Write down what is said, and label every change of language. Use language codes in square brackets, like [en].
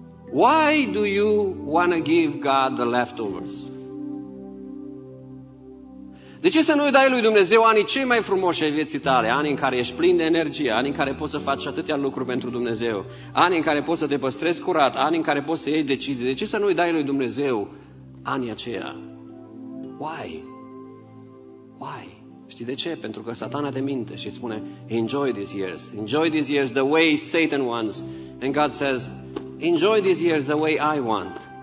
[en] Why do you want to give God the leftovers? [ro] De ce să nu-i dai lui Dumnezeu anii cei mai frumoși ai vieții tale? Anii în care ești plin de energie, anii în care poți să faci atâtea lucruri pentru Dumnezeu, anii în care poți să te păstrezi curat, anii în care poți să iei decizii. De ce să nu-i dai lui Dumnezeu anii aceia? [en] Why? Why? [ro] Știi de ce? Pentru că Satana te minte și spune, [en] enjoy these years, enjoy these years the way Satan wants. And God says, enjoy these years the way I want.